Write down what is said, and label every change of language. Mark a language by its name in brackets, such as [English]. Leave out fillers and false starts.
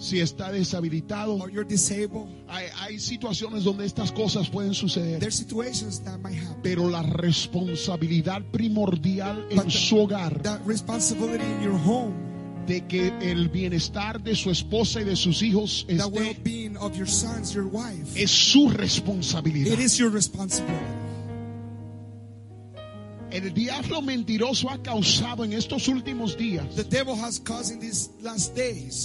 [Spanish] si está deshabilitado, [English] or you're disabled, [Spanish] hay situaciones donde estas cosas pueden suceder. [English] There are situations that might happen. [Spanish] Pero la responsabilidad primordial en su hogar, [English] that responsibility in your home, [Spanish] de que el bienestar de su esposa y de sus hijos esté, [English] the well-being of your sons, your wife, [Spanish] es su responsabilidad. [English] It is your responsibility. [Spanish] El diablo mentiroso ha causado en estos últimos días, [English] the devil has caused in these last days,